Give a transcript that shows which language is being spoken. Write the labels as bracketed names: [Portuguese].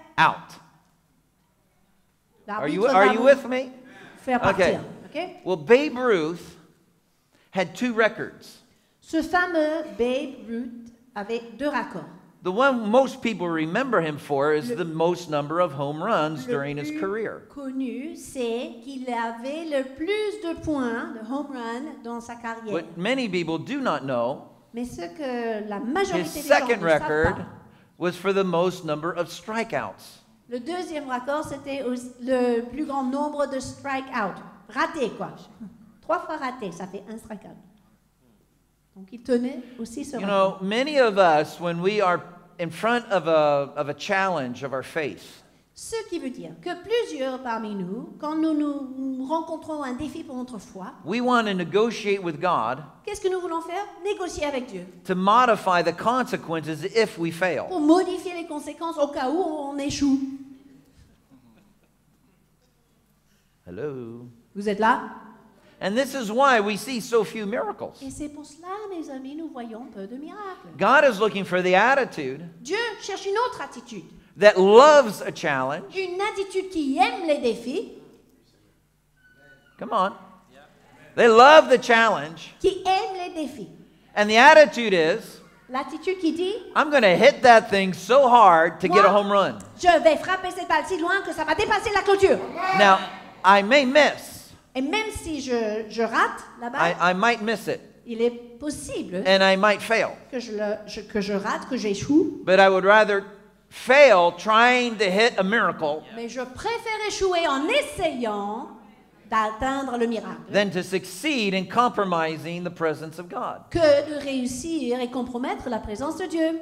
[English] out. Are you with me? [French] Faire partir. [English] Okay. Okay? Well, Babe Ruth had two records. [French] Ce fameux Babe Ruth avait deux records. [English] The one most people remember him for is the most number of home runs during his career. [French] Le plus connu, c'est qu'il avait le plus de points de home run dans sa carrière. [English] What many people do not know, [French] mais ce que la majorité [English] his second record was for the most number of strikeouts. [French] Le deuxième record, c'était le plus grand nombre de strikeouts. Raté, quoi. Trois fois raté, ça fait un strikeout. Donc, il tenait aussi ce [English] you record. Know, many of us, when we are in front of a challenge of our faith, [French] ce qui veut dire que plusieurs parmi nous, quand nous rencontrons un défi pour notre foi, [English] we want to negotiate with God, [French] qu'est-ce que nous voulons faire? Négocier avec Dieu. [English] To modify the consequences if we fail. [French] Pour modifier les conséquences au cas où on échoue. [English] Hello. [French] Vous êtes là? [English] And this is why we see so few miracles. [French] Et c'est pour cela, mes amis, nous voyons peu de miracles. [English] God is looking for the attitude. [French] Dieu cherche une autre attitude. [English] That loves a challenge. [French] Une attitude qui aime les défis. [English] Come on. They love the challenge. [French] Qui aime les défis. [English] And the attitude is, [French] l'attitude qui dit, [English] I'm going to hit that thing so hard to [French] moi, [English] get a home run. [French] Je vais frapper cette balle si loin que ça va dépasser la clôture. [English] Now, I may miss. [French] Et même si je rate la balle, [English] I might miss it. [French] Il est possible [English] and I might fail. [French] Que je rate, que j'échoue. [English] But I would rather fail trying to hit a miracle. [French] Mais je préfère échouer en essayant d'atteindre le miracle. [English] Than to succeed in compromising the presence of God. [French] Que de réussir et compromettre la présence de Dieu.